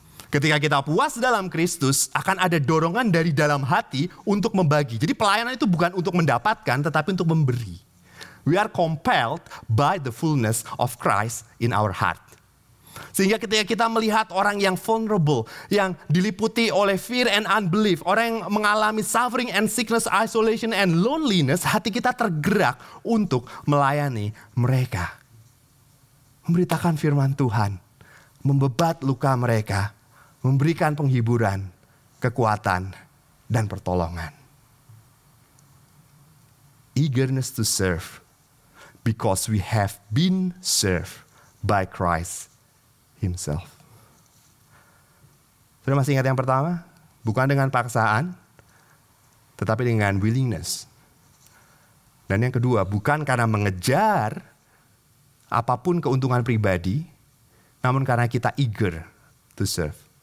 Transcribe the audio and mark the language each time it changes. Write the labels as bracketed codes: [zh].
[id] Ketika kita puas dalam Kristus, akan ada dorongan dari dalam hati untuk membagi. Jadi pelayanan itu bukan untuk mendapatkan, tetapi untuk memberi. [en] We are compelled by the fullness of Christ in our heart. [id] Sehingga ketika kita melihat orang yang vulnerable, yang diliputi oleh [en] fear and unbelief, [id] orang yang mengalami [en] suffering and sickness, isolation and loneliness, [id] hati kita tergerak untuk melayani mereka. Memberitakan firman Tuhan, membebat luka mereka, memberikan penghiburan, kekuatan, dan pertolongan. [en] Eagerness to serve, because we have been served by Christ Himself. [id] Sudah masih ingat yang pertama? Bukan dengan paksaan, tetapi dengan willingness. Dan yang kedua, bukan karena mengejar apapun keuntungan pribadi, namun karena kita [en] eager to serve.